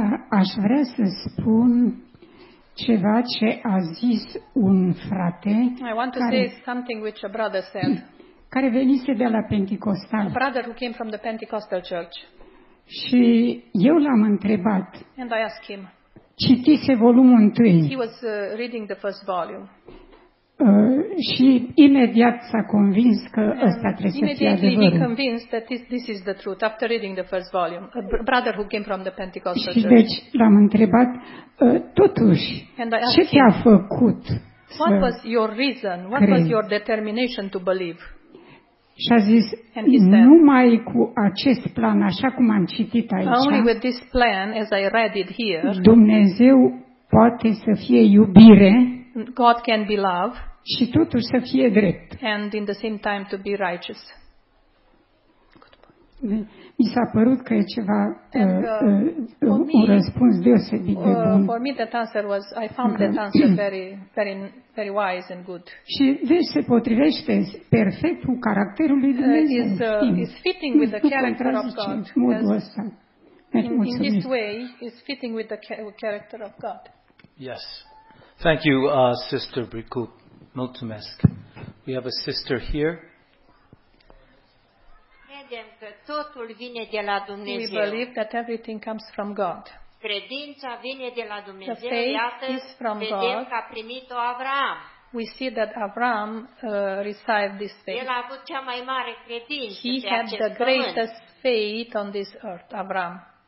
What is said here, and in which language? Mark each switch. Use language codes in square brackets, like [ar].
[ro] Aș vrea să spun ceva ce a zis un frate. [en] I want to care, say something which a brother said. [ro] Care venise de la Pentecostal. [en] A brother who came from the Pentecostal church. [ro] Și eu l-am întrebat. [en] And I asked him. [ro] Citise volumul 1. [en] He was reading the first volume. [ro] Și imediat s-a convins că ăsta trebuie să fie adevărul. [en] He convinced that this is the truth after reading the first volume. A brother who came from the Pentecostal church. [ro] Și deci l-am întrebat totuși ce te-a făcut? [en] What was your reason? What was your determination to believe? [ro] Și a zis, numai cu acest plan, așa cum am citit aici. [en] Only with this plan as I read it here. [ro] Dumnezeu poate să fie iubire. [en] God can be love. [ro] Și totuși să fie drept. [en] And in the same time to be righteous. [ro] Mi s-a părut că e ceva un răspuns deosebit de bun. [en] For me that answer was, I found that answer very, very, very wise and good. [ro] Și deci se potrivește perfect cu caracterul lui Dumnezeu. [en] Is fitting with the character of God. [ro] Modul ăsta. [en] In this way, is fitting with the character of God. Yes. Thank you, Sister Bricup. [ro] Mulțumesc. [en] We have a sister here. [ro] Credem că totul vine de la Dumnezeu. [en] We believe that everything comes from God. [ro] Credința vine de la Dumnezeu. [en] The faith [ro] iată, [en] is from [ro] vedem [en] God. [ro] Că a primit-o Avram. [en] We see that Avram received this faith. [ro] El a avut cea mai mare credință. [en] He had the greatest faith on this earth, Avram.